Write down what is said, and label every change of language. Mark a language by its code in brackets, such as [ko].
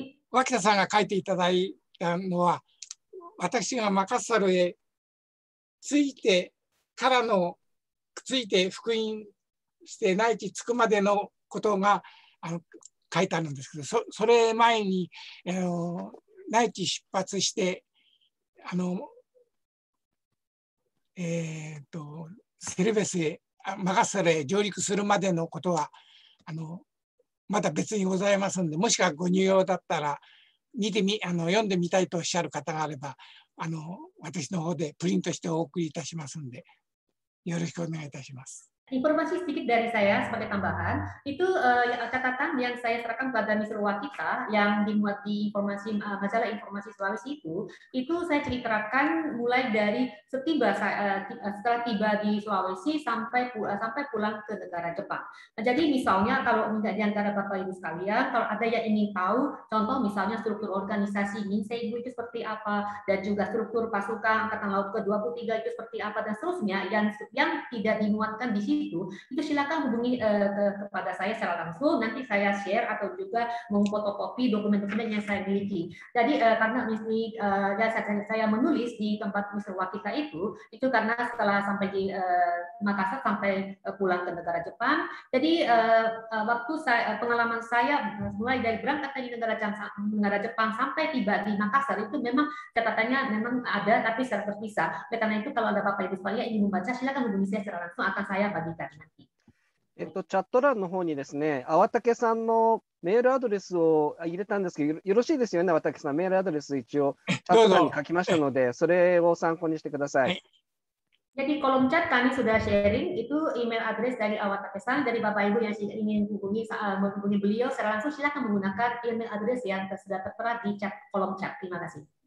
[ja] 脇田さんが書いていただいたのは私がマカッサルへ着いてからの着いて復員して内地着くまでのことが書いてあるんですけど、それ前に内地出発して マカッサルへ上陸するまでのことはまだ別にございますので、もしかご入用だったら見てみ読んでみたいとおっしゃる方があれば私の方でプリントしてお送りいたしますので、よろしくお願いいたします。 [id] Informasi sedikit dari saya sebagai tambahan, itu catatan yang saya serahkan kepada Mr. Wakita yang dimuat di informasi majalah informasi Sulawesi itu saya ceritakan mulai dari setelah tiba di Sulawesi sampai pulang ke negara Jepang. Nah, jadi misalnya kalau di antara Bapak Ibu sekalian, kalau ada yang ingin tahu, contoh misalnya struktur organisasi Ninsei itu seperti apa, dan juga struktur pasukan Angkatan Laut ke-23 itu seperti apa, dan seterusnya, yang tidak dimuatkan di situ, itu silakan hubungi kepada saya secara langsung, nanti saya share atau juga memfotokopi dokumen-dokumen yang saya miliki. Jadi karena saya menulis di tempat Mr. Wakita itu karena setelah sampai di Makassar sampai pulang ke negara Jepang, jadi waktu saya, pengalaman saya mulai dari berangkat dari negara Jepang sampai tiba di Makassar itu memang catatannya memang ada tapi secara terpisah. Oleh karena itu kalau ada Bapak-Ibu sekalian ingin membaca, silakan hubungi saya secara langsung, akan saya bagikan nanti. [ja] チャット欄の方にですね、粟武さんのメールアドレスを入れたんですけど、よろしいですよね、粟武さん、メールアドレス一応チャット欄に書きましたので、それを参考にしてください。 [id] Jadi kolom chat kami sudah sharing itu email address dari Awata Kesan, dari Bapak Ibu yang ingin menghubungi beliau secara langsung silakan menggunakan email address yang sudah tertera di chat kolom chat. Terima kasih.